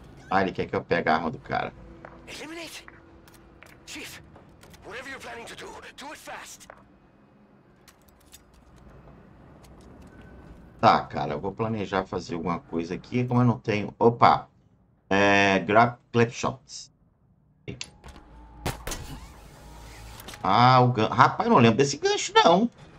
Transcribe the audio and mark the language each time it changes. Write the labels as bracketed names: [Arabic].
[Portuguese] Ah, ele quer que eu pegue a arma do cara. [English] Eliminate! Chief, whatever you're planning to do, do it fast! [Portuguese] Tá, cara, eu vou planejar fazer alguma coisa aqui, como eu não tenho. Opa! [English] Grab clip shots. [Portuguese] Ah, o gancho. Rapaz, não lembro desse gancho, não.